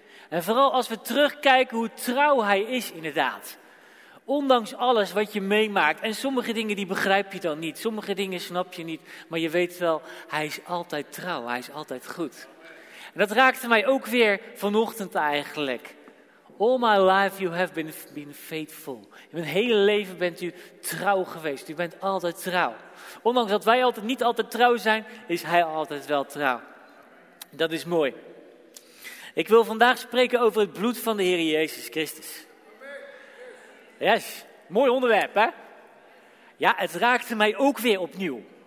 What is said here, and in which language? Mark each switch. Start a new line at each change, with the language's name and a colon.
Dutch: En vooral als we terugkijken hoe trouw Hij is inderdaad. Ondanks alles wat je meemaakt. En sommige dingen die begrijp je dan niet. Sommige dingen snap je niet. Maar je weet wel, Hij is altijd trouw. Hij is altijd goed. En dat raakte mij ook weer vanochtend eigenlijk.
English: All my life you have been faithful.
Dutch: In mijn hele leven bent u trouw geweest. U bent altijd trouw. Ondanks dat wij altijd niet altijd trouw zijn, is Hij altijd wel trouw. Dat is mooi. Ik wil vandaag spreken over het bloed van de Heer Jezus Christus. Yes, mooi onderwerp hè? Ja, het raakte mij ook weer opnieuw.